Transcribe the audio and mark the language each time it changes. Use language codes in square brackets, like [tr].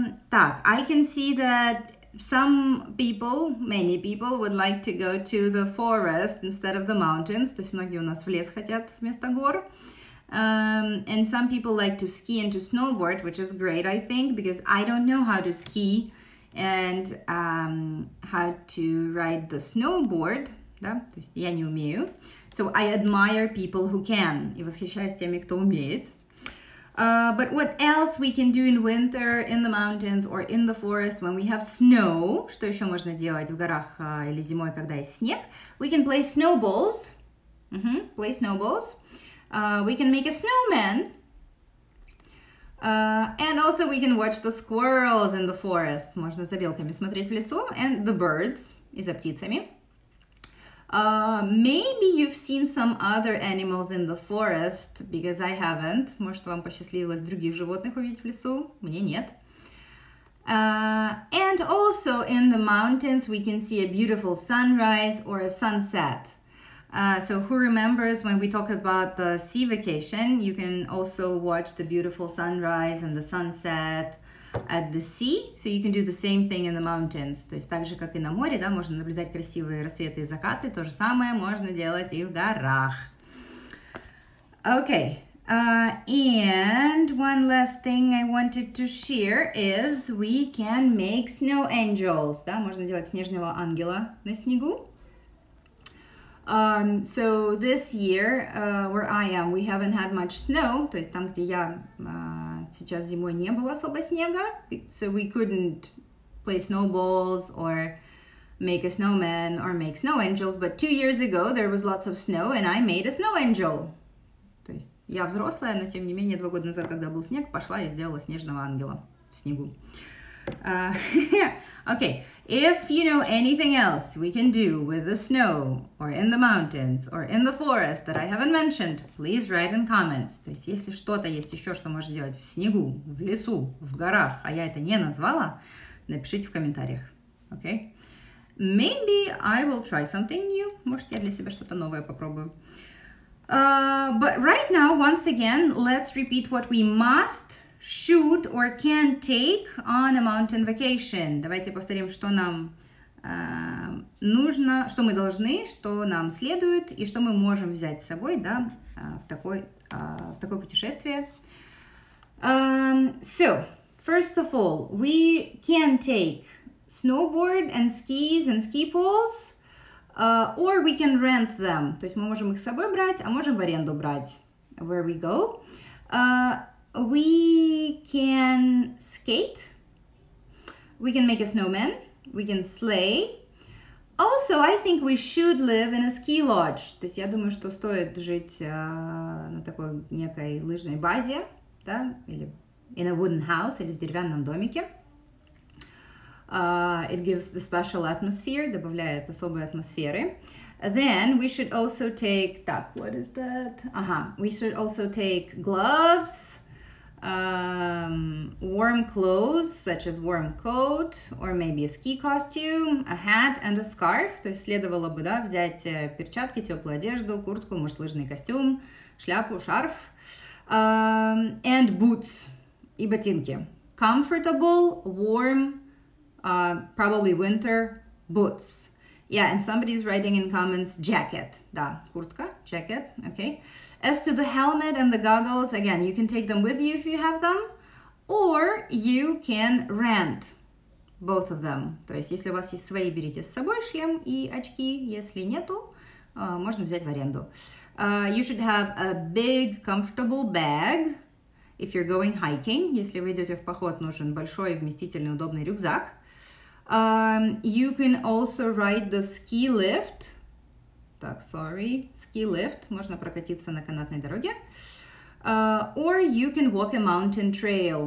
[en] Так, I can see that some people, many people, would like to go to the forest instead of the mountains. [ru] То есть многие у нас в лес хотят вместо гор. [en] And some people like to ski and to snowboard, which is great, I think, because I don't know how to ski and how to ride the snowboard. [ru] Да? То есть я не умею. [en] So I admire people who can. [ru] И восхищаюсь теми, кто умеет. [en] But what else we can do in winter, in the mountains or in the forest when we have snow? [ru] Что еще можно делать в горах или зимой, когда есть снег? [en] We can play snowballs. Mm-hmm. Play snowballs. We can make a snowman. And also we can watch the squirrels in the forest. [ru] Можно за белками смотреть в лесу. [en] And the birds. [ru] И за птицами. [en] Maybe you've seen some other animals in the forest, because I haven't. [ru] Может, вам посчастливилось других животных увидеть в лесу? Мне нет. [en] And also in the mountains we can see a beautiful sunrise or a sunset. So who remembers when we talk about the sea vacation, you can also watch the beautiful sunrise and the sunset at the sea, so you can do the same thing in the mountains. [ru] То есть так же, как и на море, да, можно наблюдать красивые рассветы и закаты, то же самое можно делать и в горах. [en] Okay, and one last thing I wanted to share is we can make snow angels. [ru] Да, можно делать снежного ангела на снегу. [en] So this year, where I am, we haven't had much snow. [ru] То есть там, где я сейчас зимой, не было особо снега. [en] So we couldn't play snowballs or make a snowman or make snow angels. But 2 years ago, there was lots of snow and I made a snow angel. [ru] То есть я взрослая, но тем не менее, 2 года назад, когда был снег, пошла и сделала снежного ангела в снегу. [en] Okay, if you know anything else we can do with the snow or in the mountains or in the forest that I haven't mentioned, please write in comments. [ru] То есть, если что-то есть еще, что можно делать в снегу, в лесу, в горах, а я это не назвала, напишите в комментариях. [en] Okay? Maybe I will try something new. [ru] Может, я для себя что-то новое попробую. [en] But right now, once again, let's repeat what we must should or can take on a mountain vacation. [ru] Давайте повторим, что нам нужно, что мы должны, что нам следует и что мы можем взять с собой, да, в такое путешествие. [en] So, first of all, we can take snowboard and skis and ski poles, or we can rent them. [ru] То есть мы можем их с собой брать, а можем в аренду брать. [en] Where we go. We can skate. We can make a snowman. We can sleigh. Also, I think we should live in a ski lodge. [ru] То есть я думаю, что стоит жить на такой некой лыжной базе, да, или [en] in a wooden house, [ru] или в деревянном домике. [en] It gives the special atmosphere, [ru] добавляет особой атмосферы. [en] Then we should also take, так, what is that? We should also take gloves, warm clothes, such as warm coat, or maybe a ski costume, a hat and a scarf. [ru] То есть следовало бы, да, взять перчатки, теплую одежду, куртку, может, лыжный костюм, шляпу, шарф, [en] and boots, [ru] и ботинки. [en] Comfortable, warm, probably winter boots. Yeah, and somebody's writing in comments, jacket. [ru] Да, куртка, [en] jacket, okay. As to the helmet and the goggles, again, you can take them with you if you have them, or you can rent both of them. [ru] То есть, если у вас есть свои, берите с собой шлем и очки. Если нету, можно взять в аренду. [en] You should have a big, comfortable bag if you're going hiking. [ru] Если вы идете в поход, нужен большой, вместительный, удобный рюкзак. [en] You can also ride the ski lift. Так, sorry, ski lift. [ru] Можно прокатиться на канатной дороге. [en] Or you can walk a mountain trail.